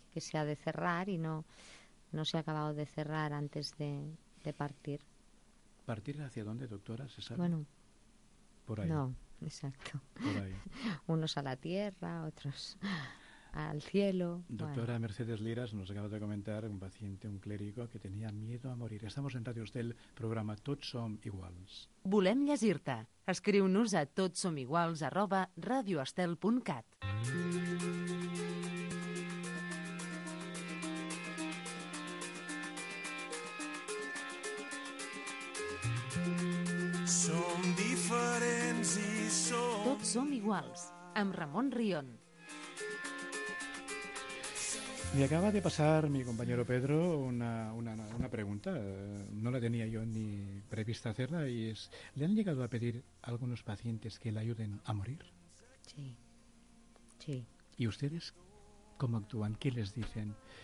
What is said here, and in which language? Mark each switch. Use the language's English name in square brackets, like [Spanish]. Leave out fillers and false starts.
[Spanish] Que se ha de cerrar y no se ha acabado de cerrar antes de partir. ¿Partir hacia dónde, doctora? ¿Se sabe? Bueno. Por ahí. No, exacto. Por ahí. Unos a la tierra, otros al cielo. Doctora, bueno. Mercedes Liras nos acaba de comentar un paciente, un clérigo, que tenía miedo a morir. Estamos en ràdio del programa Tots Som Iguals. [Catalan] Volem llegir-te. Escriu-nos a totsomiguals@radioestel.cat. Mm. Som iguals, amb Ramon Rion. [Spanish] Me acaba de pasar mi compañero Pedro una pregunta. No la tenía yo ni prevista hacerla y es... ¿Le han llegado a pedir a algunos pacientes que le ayuden a morir? Sí, sí. ¿Y ustedes cómo actúan? ¿Qué les dicen?